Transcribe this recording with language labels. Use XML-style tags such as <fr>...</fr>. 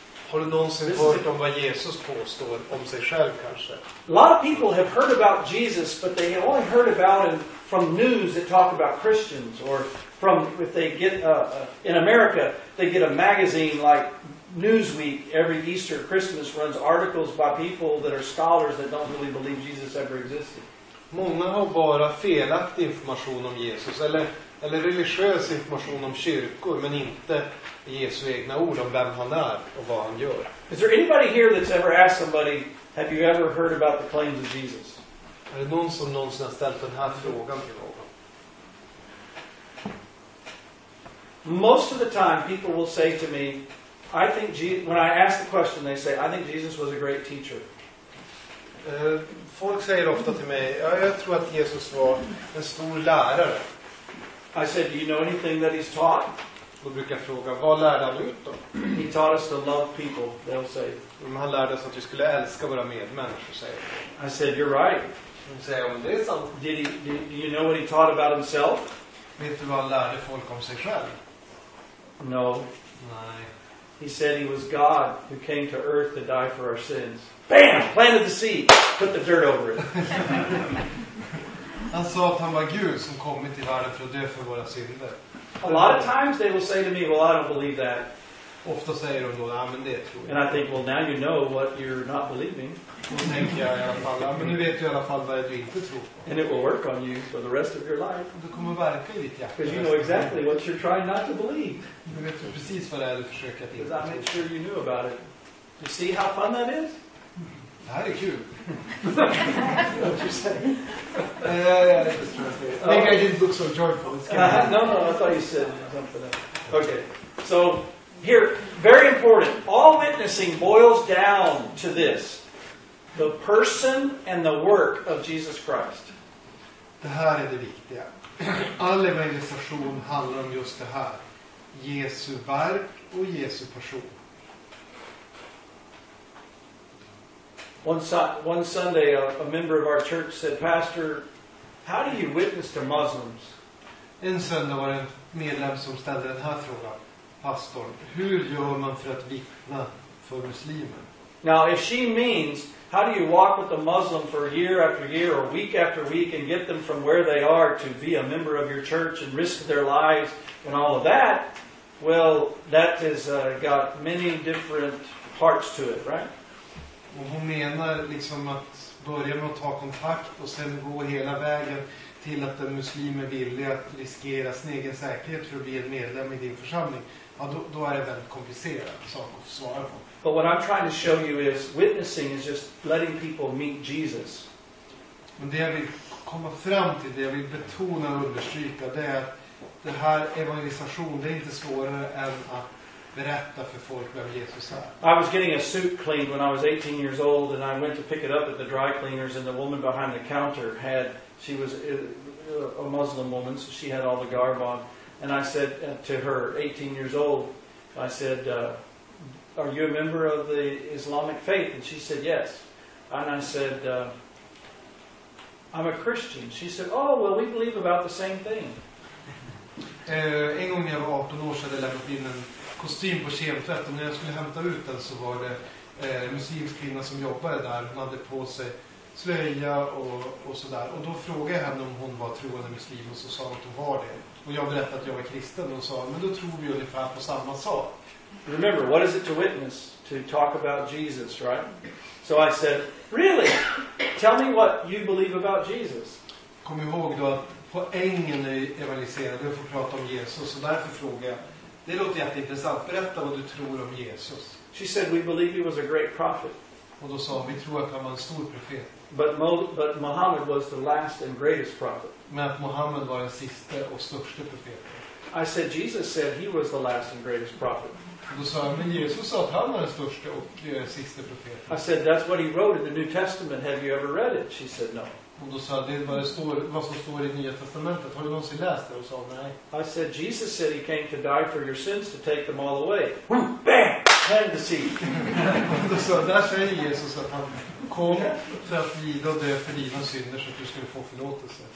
<sv>Har du någonsin hört om vad Jesus påstår om sig själv kanske?</sv> <en>A lot of people have heard about Jesus, but they have only heard about him from news that talk about Christians, or from if they get in America, they get a magazine like Newsweek every Easter or Christmas runs articles by people that are scholars that don't really believe Jesus ever existed.</en> <sv>Många har bara felaktig information om Jesus eller religiös information om kyrkor, men inte Jesu egna ord om vem han är och vad han gör.</sv> <en>Is there anybody here that's ever asked somebody, have you ever heard about the claims of Jesus?</en> <sv>Är det någon som någonsin har ställt den här frågan till någon?</sv> <en>Most of the time people will say to me, I think when I ask the question, they say, I think Jesus was a great teacher.</en> <sv>Folk säger ofta till mig, jag tror att Jesus var en stor lärare.</sv> <en>I said, do you know anything that he's taught?</en> <sv>Då brukar jag fråga, vad lärde han ut då?</sv> <en>He taught us to love people, they'll say.</en> <sv>Han lärde oss att vi skulle älska våra medmänniskor, säger</sv> <en>I said, you're right.</en> <sv>Han säger, ja, men det är sant.</sv> <en>Did you know what he taught about himself?</en> <sv>Vet du vad han lärde folk om sig själv?</sv> <en>No.</en> <sv>Nej.</sv> <en>He said he was God who came to earth to die for our sins. Bam! Planted the seed. Put the dirt over it.</en> <sv>Han sa att han var Gud som kommit till världen för att dö för våra synder.</sv> <en>A lot of times they will say to me, well, I don't believe that.</en> <sv>Ofta säger de då, ja, men det tror jag.</sv> <en>And I think, well, now you know what you're not believing.</en> <sv>Då tänker jag i alla fall, ja, men nu vet du i alla fall vad du inte tror på.</sv> <en>And it will work on you for the rest of your life.</en> <sv>Du kommer verka i ditt hjärta.</sv> <en>Because you know exactly what you're trying not to believe.</en> <sv>Du vet precis vad det är du försöker att inte tro.</sv> <en>Because I made sure you knew about it. You see how fun that is?</en> <sv>Det här är kul.</sv> <en>What you say? Yeah, yeah, I think I didn't look so joyful. No, I thought you said something else. Okay, so here, very important. All witnessing boils down to this. The person and the work of Jesus Christ.</en> <sv>Det här är det viktiga. All evangelisation handlar om just det här. Jesu verk och Jesu person.</sv> <en>One Sunday, a member of our church said, Pastor, how do you witness to Muslims?</en> <sv>En söndag var en medlem som ställde den här frågan. Pastor, hur gör man för att vittna för muslimer?</sv> <en>Now, if she means, how do you walk with a Muslim for year after year or week after week and get them from where they are to be a member of your church and risk their lives and all of that, well, that has got many different parts to it, right?</en> <sv>Och hon menar liksom att börja med att ta kontakt och sen gå hela vägen till att en muslim är villig att riskera sin egen säkerhet för att bli en medlem i din församling. Ja, då är det väldigt komplicerat sak att svara på.</sv> <en>But what I'm trying to show you is witnessing is just letting people meet Jesus.</en> <sv>Men det jag vill komma fram till, det jag vill betona och understryka, det är att det här evangelisation, det är inte svårare än att berätta för folk vem Jesus är.</sv> <en>I was getting a suit cleaned when I was 18 years old and I went to pick it up at the dry cleaners and the woman behind the counter had, she was a Muslim woman, so she had all the garb on, and I said to her, 18 years old, I said, are you a member of the Islamic faith? And she said, yes. And I said, I'm a Christian. She said, oh, well, we believe about the same thing.</en> <sv>En gång jag var 18 år så hade jag lämnat in en kostym på kemtvätt, och när jag skulle hämta ut den så var det muslimsk kvinna som jobbade där. Hon hade på sig slöja och sådär. Och då frågade jag henne om hon var troende muslim, och så sa hon att hon var det. Och jag berättade att jag var kristen, och sa, men då tror vi ungefär på samma sak.</sv> <en>Remember, what is it to witness? To talk about Jesus, right? So I said, really? Tell me what you believe about Jesus.</en> <sv>Kom ihåg då att poängen är evangeliserad, du får prata om Jesus, och därför frågade jag, det låter jätteintressant. Berätta vad du tror om Jesus.</sv> <en>She said, we believe he was a great prophet.</en> <sv>Och då sa hon, vi tror att han var en stor profet.</sv> <en>But Muhammad was the last and greatest prophet.</en> <sv>Men att Muhammad var den sista och största profeten.</sv> <en>I said, Jesus said he was the last and greatest prophet.</en> <sv>Och då sa hon, men Jesus sa att han var den största och sista profeten.</sv> <en>I said, that's what he wrote in the New Testament. Have you ever read it? She said, no.</en> <sv>Och då sa jag, det var det står, vad som står i Nya Testamentet. Har du någonsin läst det? Och sa nej.</sv> <en>I said, Jesus said he came to die for your sins to take them all away. Bam! Hand to see.</en> <sv>Och då sa jag, där säger Jesus att han kom för att lida och dö för dina synder så att du skulle få förlåtelse.</sv>